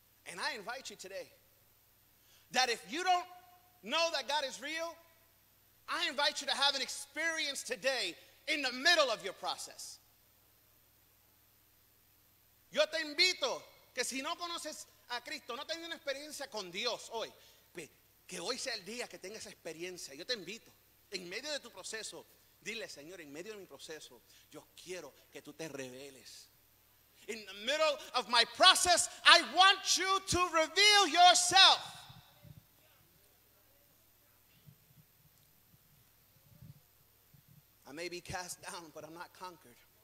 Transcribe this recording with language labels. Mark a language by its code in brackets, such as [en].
[en] And I invite you today, that if you don't know that God is real, I invite you to have an experience today in the middle of your process. [es] Yo te invito que si no conoces a Cristo, no tengas una experiencia con Dios hoy, que hoy sea el día que tengas esa experiencia. Yo te invito, en medio de tu proceso, dile: Señor, en medio de mi proceso, yo quiero que tú te reveles. [en] In the middle of my process, I want you to reveal yourself. I may be cast down, but I'm not conquered.